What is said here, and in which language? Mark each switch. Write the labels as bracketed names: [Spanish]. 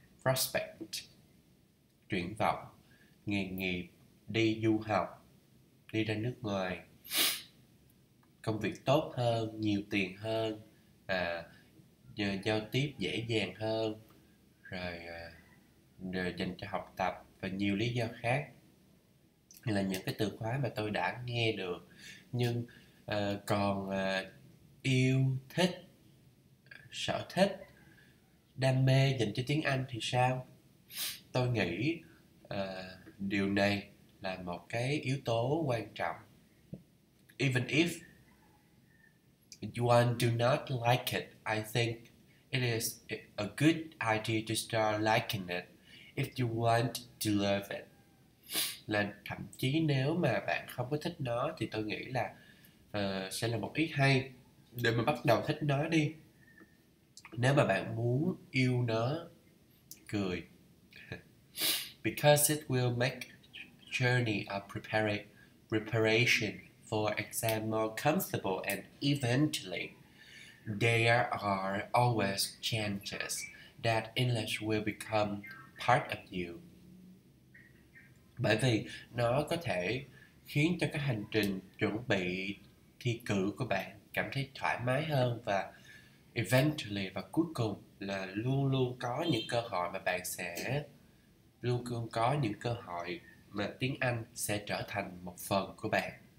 [Vietnamese] Prospect, triển vọng, nghề nghiệp, đi du học, đi ra nước ngoài, công việc tốt hơn, nhiều tiền hơn, giao tiếp dễ dàng hơn, rồi dành cho học tập và nhiều lý do khác, là những cái từ khóa mà tôi đã nghe được. Nhưng còn yêu thích, sở thích, đam mê dành cho tiếng Anh thì sao? Tôi nghĩ điều này là một cái yếu tố quan trọng. [English] Even if one do not like it, I think it is a good idea to start liking it if you want to love it. [Vietnamese] Là thậm chí nếu mà bạn không có thích nó thì tôi nghĩ là sẽ là một ý hay để mà bắt đầu thích nó đi. Nếu mà bạn muốn yêu nó, cười. [English] Because it will make journey of preparation for exam more comfortable, and eventually there are always chances that English will become part of you. [Vietnamese] Bởi vì nó có thể khiến cho cái hành trình chuẩn bị thi cử của bạn cảm thấy thoải mái hơn, và eventually, và cuối cùng là luôn luôn có những cơ hội mà bạn sẽ luôn luôn có những cơ hội mà tiếng Anh sẽ trở thành một phần của bạn.